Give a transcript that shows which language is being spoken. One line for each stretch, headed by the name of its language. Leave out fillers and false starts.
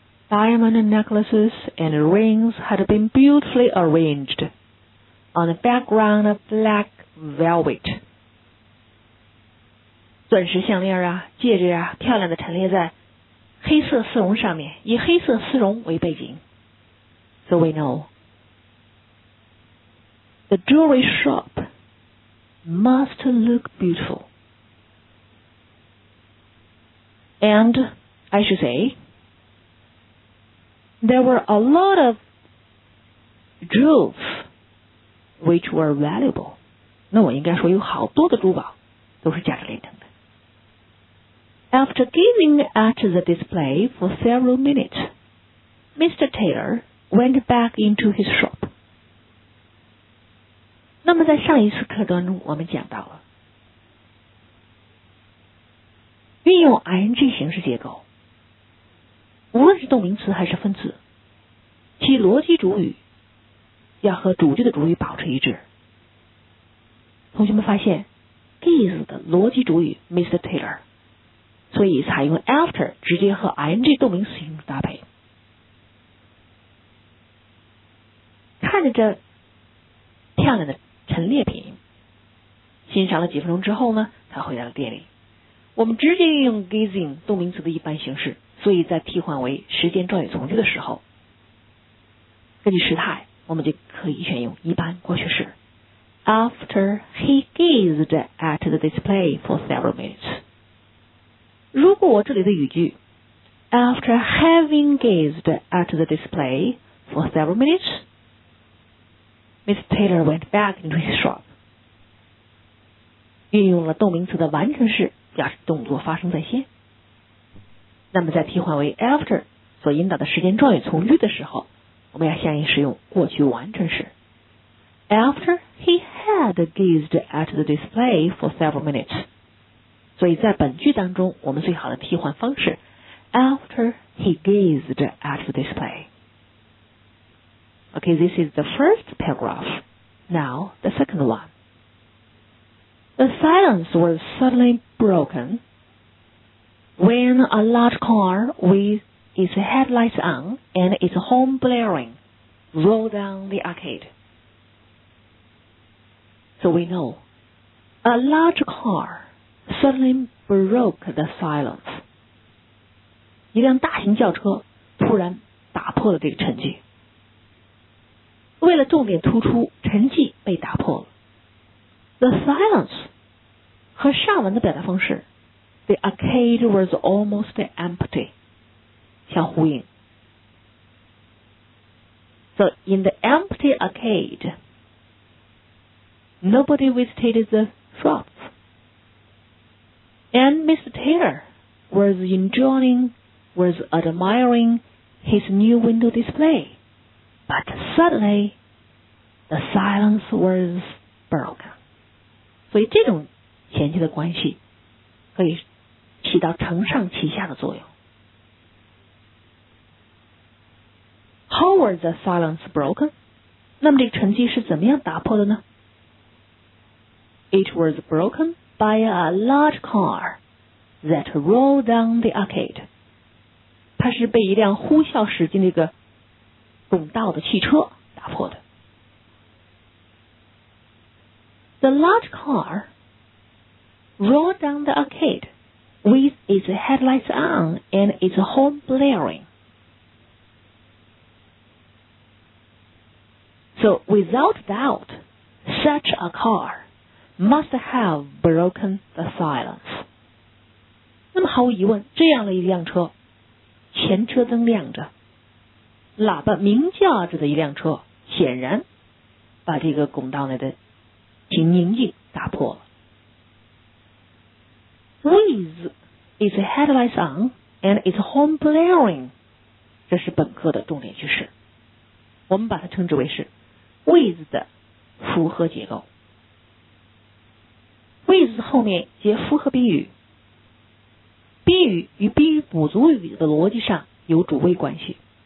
English: Diamond necklaces and rings had been beautifully arranged on a background of black velvet.
Chinese: 钻石项链啊，戒指啊，漂亮的陈列在黑色丝绒上面，以黑色丝绒为背景。
English: So we know the jewelry shop must look beautiful. And I should say,There were a lot of jewels which were valuable.
Chinese: 那我应该说有好多的珠宝都是价值连城的。
English: After gazing at the display for several minutes, Mr. Taylor went back into his shop.
Chinese: 那么在上一次课当中我们讲到了运用 ing 形式结构，无论是动名词还是分词，其逻辑主语要和主句的主语保持一致。同学们发现 gaze 的逻辑主语 Mr. Taylor, 所以采用 after 直接和 ing 动名词形式搭配。看着这漂亮的陈列品，欣赏了几分钟之后呢，他回到了店里。我们直接运用 gazing 动名词的一般形式，所以在替换为时间状语从句的时候，根据时态我们就可以选用一般过去式。
English: After he gazed at the display for several minutes,
Chinese: 如果我这里的语句
English: After having gazed at the display for several minutes, Miss Taylor went back into his shop,
Chinese: 运用了动名词的完成式表示动作发生在先，那么在替换为 after 所引导的时间状语从句的时候，我们要相应使用过去完成时。
English: After he had gazed at the display for several minutes.
Chinese: 所以在本句当中，我们最好的替换方式
English: After he gazed at the display. Okay, this is the first paragraph. Now, the second one. The silence was suddenly broken when a large car withIts headlights on and its horn blaring, roll down the arcade. So we know, a large car suddenly broke the silence.
Chinese: 一辆大型轿车突然打破了这个沉寂。为了重点突出沉寂被打破了。
English: The silence
Chinese: 和上文的表达方式
English: ,the arcade was almost empty.
Chinese: 相呼应。
English: So, in the empty arcade, nobody visited the shops. And Mr. Taylor was enjoying, was admiring his new window display. But suddenly, the silence was broken.
Chinese: 所以这种衔接的关系可以起到承上启下的作用。
English: How was the silence broken?
Chinese: 那么这个沉寂是怎么样打破的呢？
English: It was broken by a large car that rolled down the arcade.
Chinese: 它是被一辆呼啸驶进那个甬道的汽车打破的。
English: The large car rolled down the arcade with its headlights on and its horn blaring. So, without doubt, such a car must have broken the silence.
Chinese: 那么毫无疑问，这样的一辆车，前车灯亮着，喇叭鸣叫着的一辆车，显然把这个拱道内的宁静打破了。
English: With its headlights on and its horn blaring,
Chinese: 这是本课的重点句式，我们把它称之为是。With 的符合结构。 with 后面接复合宾语，宾语与宾语补足语的逻辑上有主谓关系。